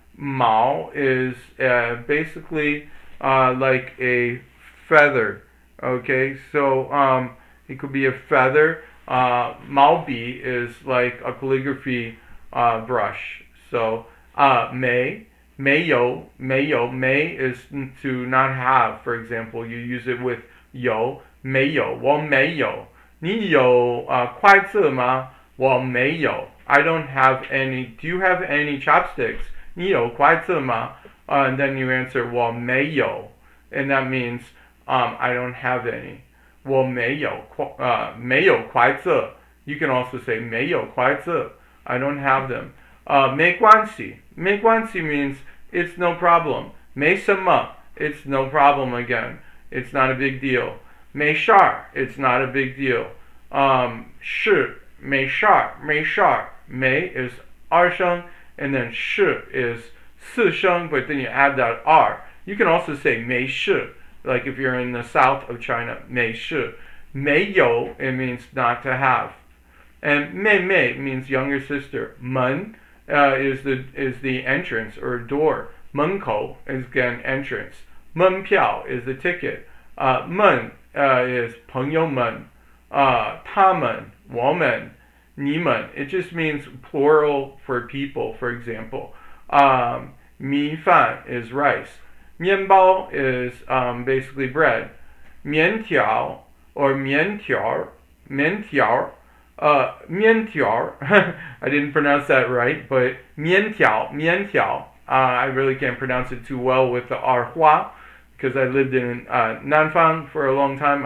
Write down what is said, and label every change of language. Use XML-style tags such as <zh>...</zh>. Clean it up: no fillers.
<en>毛 is basically like a feather. Okay, so it could be a feather. 毛笔 is like a calligraphy brush. So 没 is to not have, for example. You use it with 有.</en> <zh>没有，我没有。你有筷子吗？我没有。</zh> <en>I don't have any. Do you have any chopsticks?</en> <zh>你有筷子吗?</zh> <en>And then you answer</en> <zh>我没有,</zh> <en>and that means I don't have any.</en> <zh>我没有筷子.</zh> <en>You can also say</en> <zh>没有筷子.</zh> <en>I don't have them. 没关系 means it's no problem. 没什么, it's no problem again. It's not a big deal. 没事儿, it's not a big deal.</en> <zh>是没事儿.</zh> <en>没 is 二声, and then 是 is 四声, but then you add that R. You can also say 没事, like if you're in the south of China, 没事. 没有, it means not to have. And 妹妹 means younger sister. 门 is the entrance or door. 门口 is again entrance. 门票 is the ticket. 门 is 朋友们, 他们, 我们, 你们. It just means plural for people, for example. 米饭 is rice. 面包 is basically bread. 面条 or 面条, I didn't pronounce that right, but 面条, I really can't pronounce it too well with the R hua, because I lived in Nanfang for a long time.</en>